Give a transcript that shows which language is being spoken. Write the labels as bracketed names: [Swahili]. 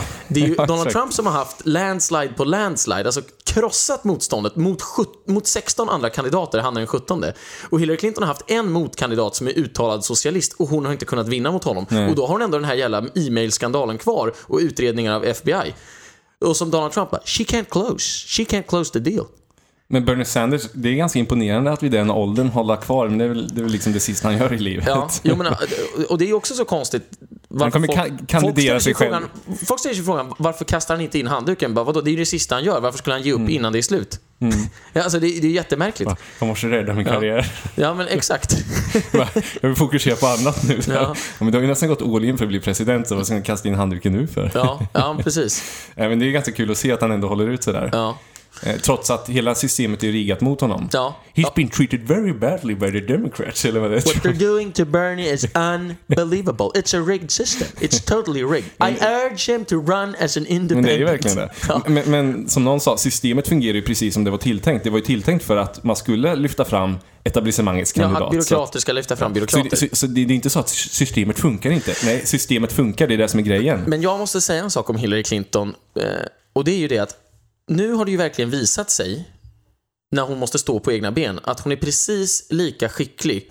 [Swedish] Det är ju Donald Trump som har haft landslide på landslide, alltså krossat motståndet mot 16 andra kandidater. Han är den 17:e. Och Hillary Clinton har haft en motkandidat som är uttalad socialist, och hon har inte kunnat vinna mot honom. Nej. Och då har hon ändå den här jävla e-mail-skandalen kvar och utredningar av FBI. Och som Donald Trump bara, [English] she can't close the deal. [Swedish] Men Bernie Sanders, det är ganska imponerande att vid den åldern hålla kvar, men det är väl liksom det sista han gör i livet. Ja, jo, men, och det är också så konstigt. Han kommer kandidera sig själv. Folk ställer sig frågan, varför kastar han inte in handduken? Bara, vadå, det är det sista han gör, varför skulle han ge upp innan det är slut? Mm. Ja, alltså det är jättemärkligt. Jag måste rädda min karriär. Ja, men exakt. Jag vill fokusera på annat nu. Ja. Men du har ju nästan gått all in för att bli president, så vad ska jag kasta in handduken nu för? Ja, precis. Ja, men det är ganska kul att se att han ändå håller ut sådär. Ja. Trots att hela systemet är riggat mot honom. Ja. [English] He's been treated very badly by the Democrats. [Swedish] Eller vad det är. [English] What they're doing to Bernie is unbelievable. It's a rigged system. It's totally rigged. I urge him to run as an independent. [Swedish] Men det är ju verkligen det. Men som någon sa, systemet fungerar ju precis som det var tilltänkt. Det var ju tilltänkt för att man skulle lyfta fram etablissemangets kandidat. Ja, byråkrater ska lyfta fram byråkrater. Så det är inte så att systemet funkar inte. Nej, systemet funkar. Det är det som är grejen. Men jag måste säga en sak om Hillary Clinton. Och det är ju det att nu har det ju verkligen visat sig, när hon måste stå på egna ben, att hon är precis lika skicklig.